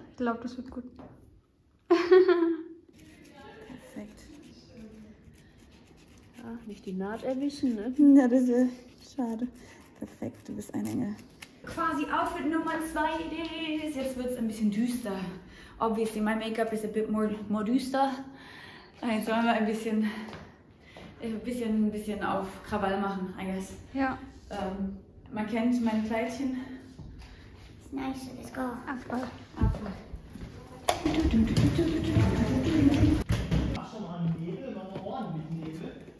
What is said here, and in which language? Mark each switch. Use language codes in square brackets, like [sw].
[de] ich glaube, das wird gut. Perfekt. Ja, nicht die Naht erwischen, ne? Ja, das ist schade. Perfekt, du bist ein Engel. Quasi Outfit Nummer 2, Idee. Jetzt wird es ein bisschen düster. [en] obviously my makeup is a bit more moduster. [de] Also wollen wir ein bisschen auf Krawall machen, [en] I guess. [de] Ja. Man kennt mein Kleidchen. [en] It's nice, let's go. [de] Apfel. Mach doch mal einen Nebel, mach mal ordentlich Nebel.